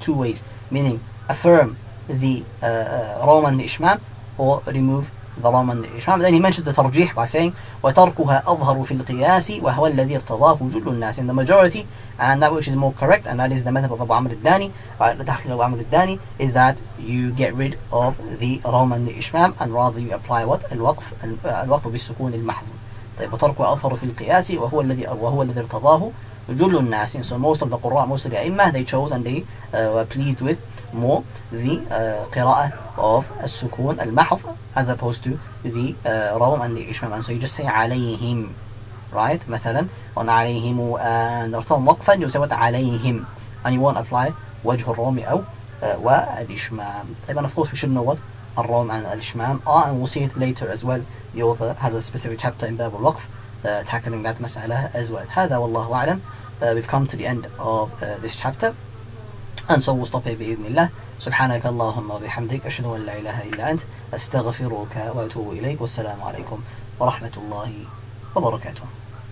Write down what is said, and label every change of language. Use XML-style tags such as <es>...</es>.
<en>Two ways, meaning affirm the rom and the ishmam or remove the rom and the ishmam. Then he mentions the tarjih by saying</en> <ar>وتركها أظهر في القياس وهو الذي ارتضاه جل الناس,</ar> <en>in the majority, and that which is more correct, and that is the method of Abu Amr al-Dani, right, the tahqiq of Abu Amr al-Dani, is that you get rid of the rom and the ishmam, and rather you apply what?</en> <ar>الوقف, الوقف بالسكون المحض. طيب وترك أظهر في القياس وهو الذي ارتضاه جل الناس.</ar> <en>So most of the قراء, most of the أئمة, they chose and they were pleased with more the قراءة of السكون المحف as opposed to the روم and the إشمام. And so you just say عليهم, right, مثلا on عليهم and ارتضاهم وقفا, you say what?</en> <ar>عليهم,</ar> <en>and you won't apply</en> <ar>وجه الروم أو والإشمام.</ar> <en>طيب, and of course we should know what الروم and الإشمام are, and we'll see it later as well. The author has a specific chapter in Bab al-Waqf tackling that mas'ala as well.</en> <ar>هذا والله أعلم.</ar> <en>We've come to the end of this chapter. And so we'll stop here بإذن الله.</en> <ar>سبحانك اللهم وبحمدك أشهد أن لا إله إلا أنت أستغفرك وأتوب إليك, والسلام عليكم ورحمة الله وبركاته.</ar>